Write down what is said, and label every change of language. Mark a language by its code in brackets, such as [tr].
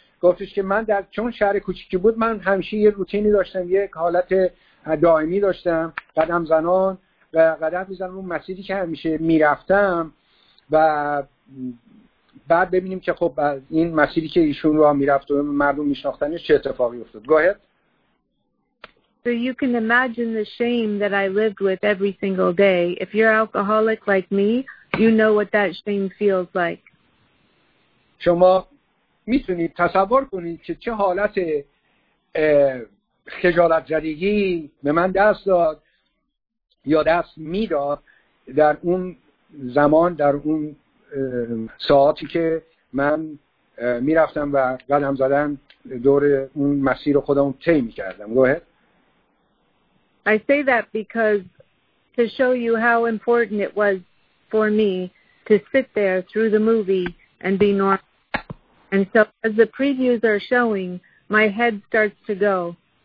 [fa] گفتش که من در چون شهر کوچیکی بود، من همیشه یه روتینی داشتم، یک حالت دائمی داشتم، قدم زنان و قدم میزنم اون مسیری که همیشه میرفتم و بعد ببینیم که خب این مسیری که ایشون رو میرفت و مردم میشناختنش چه اتفاقی افتاد. [en] Go ahead. So you can imagine the shame that I lived with every single day. If you're alcoholic like me, you know what that shame feels like. [fa] شما میتونید تصور کنید که چه حالت خجالت زدگی به من دست داد یا دست میداد در اون زمان، در اون ساعتی که من میرفتم و قدم زدن دور اون مسیر خودمون طی میکردم. [en] Go ahead. I say that because to show you how important it was for me to sit there through the movie and be normal. And so as the previews are showing, my head starts to go.